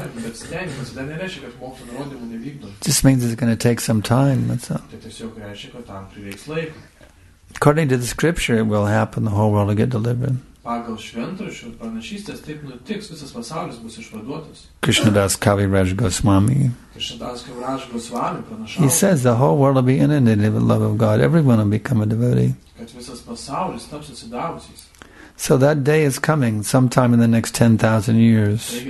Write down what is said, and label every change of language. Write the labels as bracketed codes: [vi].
[en] Just means it's going to take some time, that's all. According to the scripture, it will happen, the whole world will get delivered. [lt] Pagal šventrašio pranašystės taip nutiks, visas pasaulis bus išvaduotas. [en] Krishnadas Kaviraj Goswami. [lt] Krishnadas Kaviraj Goswami pranašavo. [en] He says the whole world will be inundated with love of God. Everyone will become a devotee. [lt] Kad visas pasaulis taps atsidavusiais. [en] So that day is coming sometime in the next 10,000 years.